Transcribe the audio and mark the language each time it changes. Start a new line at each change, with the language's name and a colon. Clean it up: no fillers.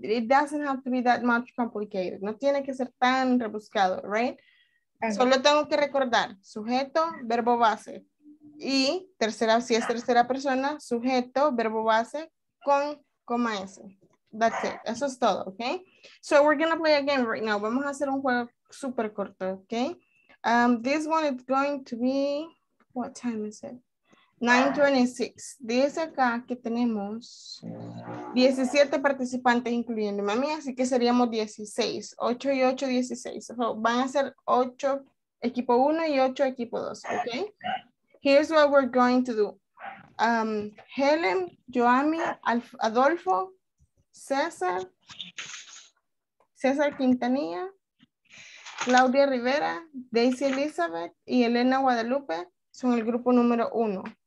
English: It doesn't have to be that much complicated.
Spanish: No tiene que ser tan rebuscado,
English: right?
Spanish: Solo tengo que recordar sujeto, verbo base y tercera, si es tercera persona, sujeto, verbo base con coma S.
English: That's it.
Spanish: Eso es todo, ¿ok?
English: So we're going to play a game right now.
Spanish: Vamos a hacer un juego súper corto, ¿ok?
English: This one is going to be, what time is it? 9:26.
Spanish: Dice acá que tenemos 17 participantes, incluyendo a mí, así que seríamos 16. 8 y 8, 16. So van a ser 8 equipo 1 y 8 equipo 2. Ok.
English: Here's what we're going to do:
Spanish: Helen, Joami, Adolfo, César Quintanilla, Claudia Rivera, Daisy Elizabeth y Elena Guadalupe son el grupo número 1.